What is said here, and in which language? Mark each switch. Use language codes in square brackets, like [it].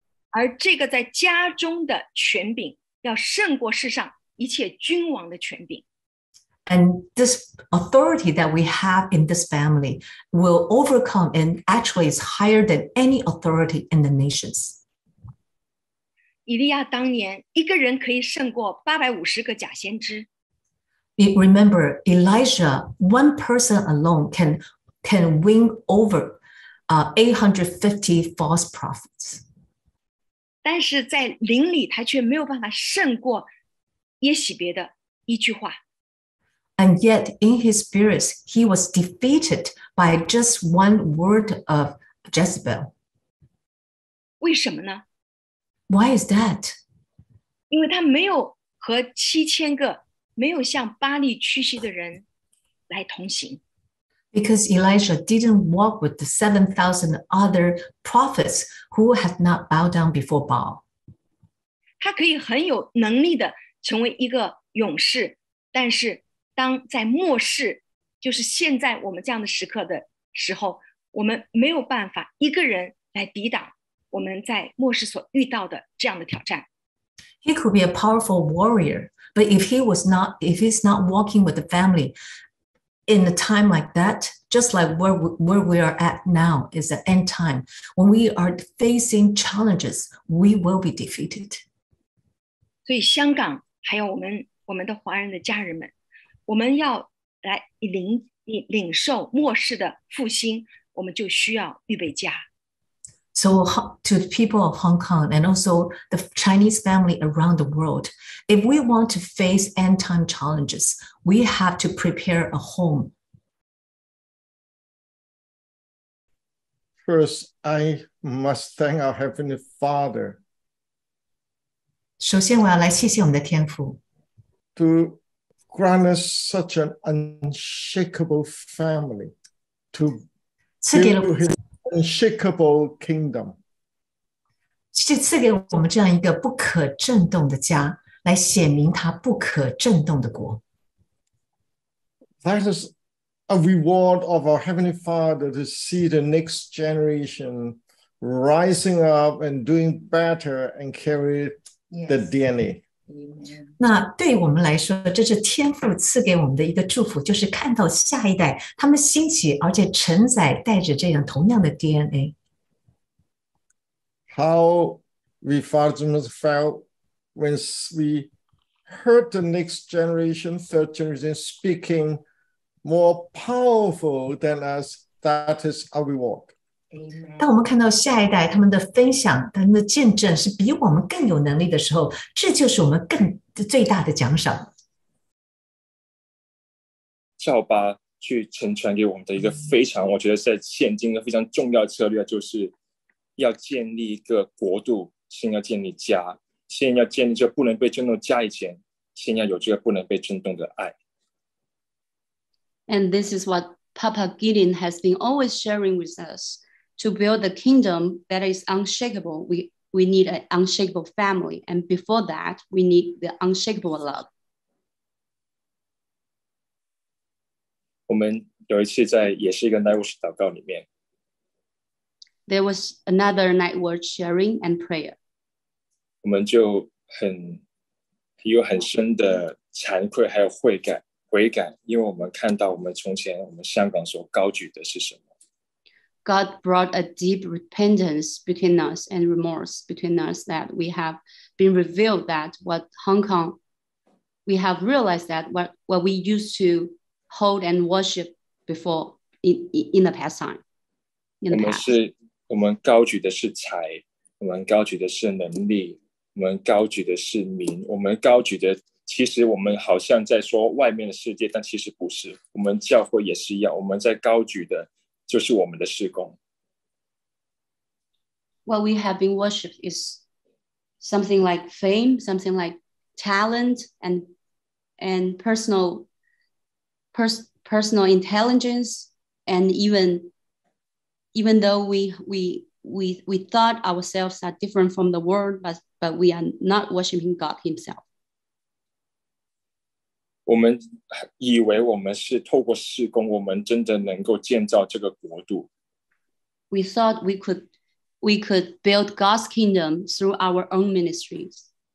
[zh] 而这个在家中的权柄要胜过世上一切君王的权柄。 [en] And this authority that we have in this family will overcome and actually is higher than any authority in the nations. [zh] 以利亚当年一个人可以胜过850个假先知。 [en] Remember, Elijah, one person alone can win over850 false prophets. [zh] 但是在灵里他却没有办法胜过耶洗别的一句话。 [en] And yet in his spirit, he was defeated by just one word of Jezebel. [zh] 为什么呢？ [en] Why is that? [zh] 因为他没有和7000个没有向巴利屈膝的人来同行。 [en] Because Elijah didn't walk with the 7,000 other prophets who had not bowed down before Baal. [zh] 他可以很有能力的成为一个勇士，但是当在末世，就是现在我们这样的时刻的时候，我们没有办法一个人来抵挡我们在末世所遇到的这样的挑战。 [en] He could be a powerful warrior, but if he was not, if he's not walking with the family in a time like that, just like where we are at now is the end time. When we are facing challenges, we will be defeated. [zh] 所以香港还有我们的华人的家人们，我们要来领受末世的复兴，我们就需要预备家。 [en] So to the people of Hong Kong and also the Chinese family around the world, if we want to face end time challenges, we have to prepare a home. First, I must thank our Heavenly Father. [zh] 首先我要来谢谢我们的天父。 [en] To grant us such an unshakable family, to build His unshakable kingdom. [zh] 赐给我们这样一个不可震动的家，来显明他不可震动的国。 [en] That is a reward of our Heavenly Father to see the next generation rising up and doing better and carry the DNA. [zh] 那对我们来说，这是天父赐给我们的一个祝福，就是看到下一代他们兴起，而且承载带着这样同样的 DNA。 [en] How we fathers felt when we heard the next generation, third generation speaking more powerful than us, that is how we walk. [zh] 当我们看到下一代他们的分享他们的见证是比我们更有能力的时候，这就是我们更最大的奖赏。教巴去成全给我们的一个非常我觉得在现今的非常重要策略，就是要建立一个国度，先要建立家，先要建立这不能被震动家，以前先要有这个不能被震动的爱。 [en] And this is what Papa Gideon has been always sharing with usTo build a kingdom that is unshakable, we need an unshakable family. And before that, we need the unshakable love. [zh] 我们有一次在也是一个 Night Watch 祷告里面。 [en] There was another Night Watch sharing and prayer. [zh] 我们就有很深的惭愧还有悔感，因为我们看到我们从前我们香港所高举的是什么。 [en] God brought a deep repentance between us and remorse between us that we have been revealed that what Hong Kong, we have realized that what we used to hold and worship before in the past time. In the past. [zh] 我们高举的是财，我们高举的是能力，我们高举的是名，我们高举的其实我们好像在说外面的世界，但其实不是。我们教会也是一样，我们在高举的就是我们的事工。 [en] What we have been worshiped is something like fame, something like talent and personal intelligence, and even though we thought ourselves are different from the world, but we are not worshiping God Himself. [zh] 我们以为我们是透过事工，我们真的能够建造这个国度。 [en] We thought we could build God's kingdom through our own ministries.